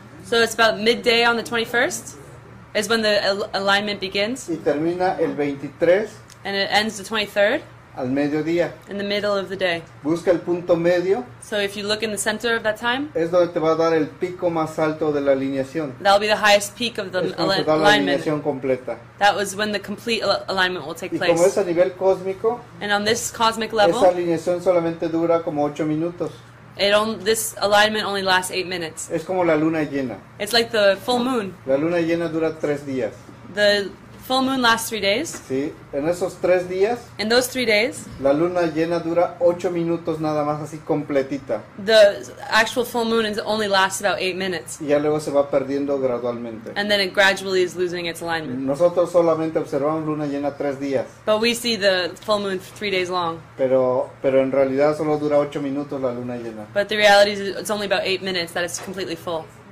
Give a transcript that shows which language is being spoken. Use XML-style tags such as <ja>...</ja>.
<en>So it's about midday on the 21st is when the alignment begins.</en> <es>Y termina el 23.</es> <en>And it ends the 23rd.</en> <es>Al mediodía.</es> <en>In the middle of the day.</en> <es>Busca el punto medio.</es> <en>So if you look in the center of that time.</en> <es>Es donde te va a dar el pico más alto de la alineación.</es> <en>That will be the highest peak of the alignment.</en> <es>Es donde te da la alineación completa.</es> <en>That was when the complete alignment will take</en> <es>y</es> <en>place.</en> <es>Y como es a nivel cósmico.</es> <en>And on this cosmic level.</en> <es>Esa alineación solamente dura como 8 minutos.</es> <en>This alignment only lasts 8 minutes.</en> <es>Es como la luna llena.</es> <en>It's like the full moon.</en> <es>La luna llena dura 3 días.</es> <en>The full moon lasts 3 days.</en> <es>Sí, en esos 3 días.</es> <en>In those 3 days.</en> <es>La luna llena dura 8 minutos nada más así completita.</es> <en>The actual full moon only lasts about 8 minutes.</en> <es>Y ya luego se va perdiendo gradualmente.</es> <en>And then it gradually is losing its alignment.</en> <es>Nosotros solamente observamos luna llena 3 días.</es> <en>But we see the full moon 3 days long.</en> <es>Pero en realidad solo dura 8 minutos la luna llena.</es> <en>But the reality is it's only about 8 minutes that it's completely full.</en>